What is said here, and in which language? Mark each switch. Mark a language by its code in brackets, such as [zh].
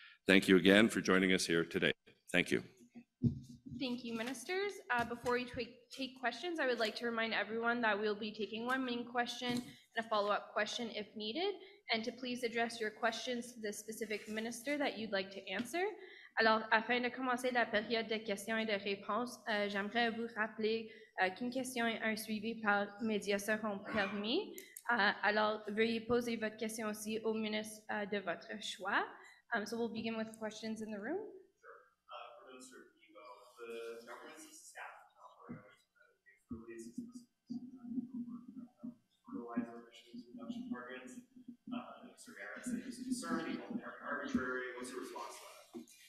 [en] Thank you again for joining us here today. Thank you. Thank you, ministers. Before we take questions, I would like to remind everyone that we'll be taking one main question and a follow-up question if needed, and to please address your questions to the specific minister that you'd like to answer. [fr] Alors, afin de commencer la période de questions et de réponses, j'aimerais vous rappeler qu'une question et un suivi par médias seront permis. Alors, veuillez poser votre question aussi au ministre de votre choix. [en] So we'll begin with questions in the room. Sure. Provincial Bibeau, the government's staff fertilizer emissions reduction targets. Sorry, I said it was concerning, arbitrary. What's your response to that?